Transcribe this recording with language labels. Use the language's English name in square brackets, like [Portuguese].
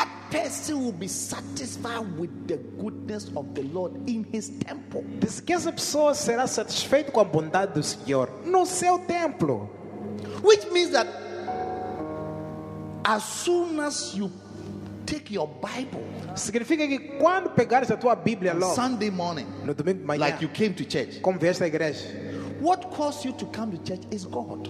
[English] Person will be satisfied with the goodness of the Lord in his temple. [Portuguese] Diz que essa pessoa será satisfeita com a bondade do Senhor no seu templo. [English] Which means that as soon as you take your Bible, [Portuguese] significa que quando pegares a tua Bíblia logo, [English] Sunday morning, [Portuguese] no domingo de manhã, [English] like you came to church, [Portuguese] como vieste à igreja, [English] what caused you to come to church is God.